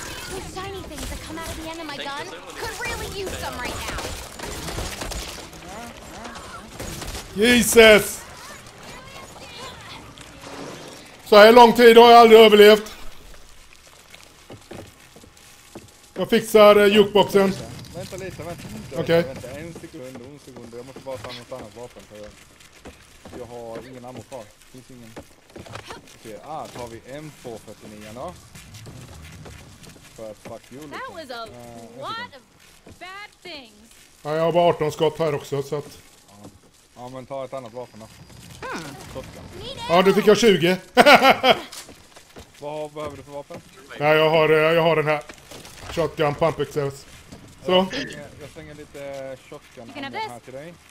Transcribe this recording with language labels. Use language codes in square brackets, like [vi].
[en] Those shiny things that come out of the end of my gun could really use some right now. Jesus! [sv] Så här lång tid har jag aldrig överlevt. Jag fixar jukeboxen. Vänta lite, vänta. Okej. Okay. En sekund. Jag måste bara ta något annat vapen för jag har ingen ammo kvar. Finns ingen. Okej, okay. Ah, tar vi M249 då. För att [en] fuck you. That was a lot of bad things. [sv] Ja, jag har bara 18 skott här också så att. Ja, men ta ett annat vapen då. Ja, du fick jag 20. Vad behöver du för vapen? Nej, jag har den här. Shotgun pump excels. Så. Jag slänger lite shotgun ammo här till dig.